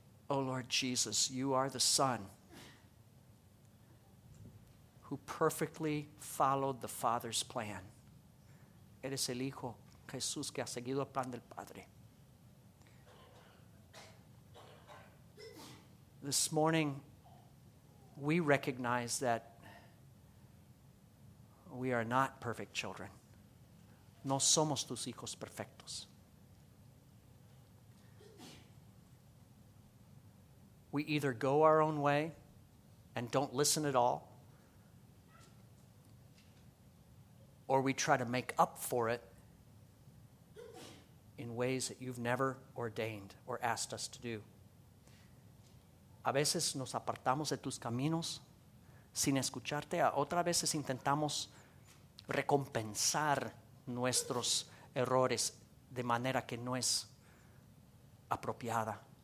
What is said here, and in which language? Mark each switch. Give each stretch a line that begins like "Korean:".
English: Oh Lord Jesus, you are the Son who perfectly followed the Father's plan.
Spanish: Eres el Hijo, Jesús, que ha seguido el plan del Padre.
English: This morning, we recognize that we are not perfect children.
Spanish: No somos tus hijos perfectos.
English: We either go our own way and don't listen at all, or we try to make up for it in ways that you've never ordained or asked us to do.
Spanish: A veces nos apartamos de tus caminos sin escucharte, a otras veces intentamos recompensar nuestros errores de manera que no es apropiada.